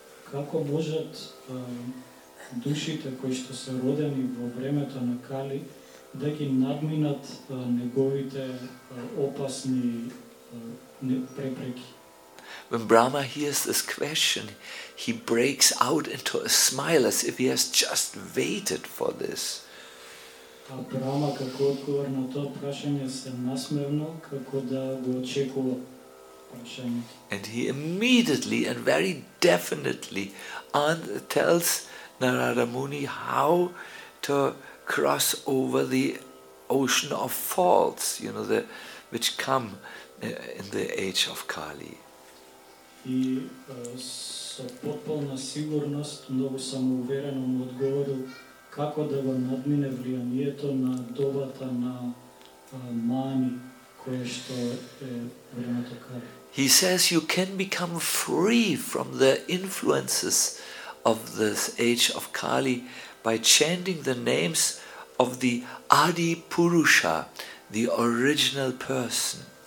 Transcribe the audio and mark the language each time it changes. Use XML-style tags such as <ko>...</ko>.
<mk>Како можат душите кои што се родени во времето на Кали да ги надминат неговите опасни препреки.</mk> <en>When Brahma hears this question, he breaks out into a smile as if he has just waited for this.</en> <mk>А Брама како одговор на тоа прашање се насмевнал како да го очекува прашањето.</mk> <en>And he immediately and very definitely tells Narada Muni how to cross over the ocean of faults, you know, which come in the age of Kali.</en> <mk>и со потполна сигурност, многу самоуверено му одговорил како да го надмине влијанието на добата на мани кое што е времето каре.</mk> <en>He says you can become free from the influences of this age of Kali by chanting the names of the Adi Purusha, the original person.</en>